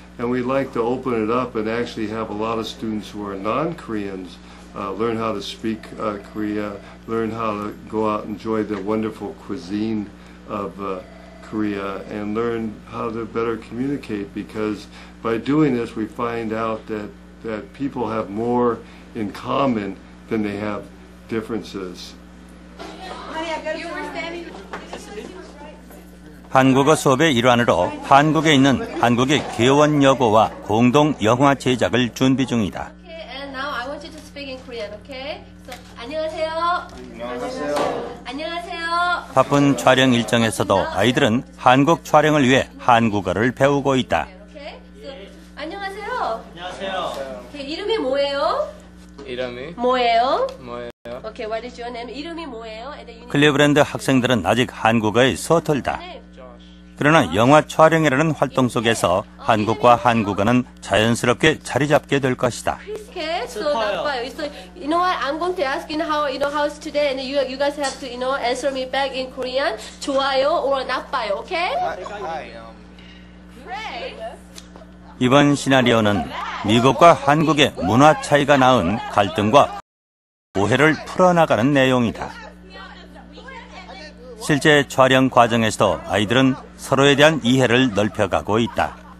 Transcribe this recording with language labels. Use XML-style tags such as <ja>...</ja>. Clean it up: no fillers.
<en>And we'd like to open it up and actually have a lot of students who are non-Koreans learn how to speak Korea, learn how to go out and enjoy the wonderful cuisine of Korea, and learn how to better communicate. Because by doing this, we find out that people have more in common than they have differences.</en> <ko>한국어 수업의 일환으로 한국에 있는 한국의 개원 여고와 공동 영화 제작을 준비 중이다.</ko> <en>Okay, and now I want you to speak in Korean, okay?</en> <ko>So, 안녕하세요. 안녕하세요. 안녕하세요. 바쁜 촬영 일정에서도 아이들은 한국 촬영을 위해 한국어를 배우고 있다. Okay, so, 안녕하세요. 안녕하세요. Okay, 이름이 뭐예요? 이름이? 뭐예요? 뭐예요?</ko> <en>Okay, what is your name?</en> <ko>이름이 뭐예요? 클리브랜드 학생들은 아직 한국어에 서툴다. 그러나 영화 촬영이라는 활동 속에서 한국과 한국어는 자연스럽게 자리 잡게 될 것이다.</ko> <en>So, you know what? I'm going to ask you how, you know, how's today? And you guys have to, you know, answer me back in Korean.</en> <ko>좋아요</ko> <en>or</en> <ko>나빠요,</ko> <en>okay? Great.</en> <ko>이번 시나리오는 미국과 한국의 문화 차이가 낳은 갈등과 오해를 풀어나가는 내용이다. 실제 촬영 과정에서도 아이들은 서로에 대한 이해를 넓혀가고 있다.</ko>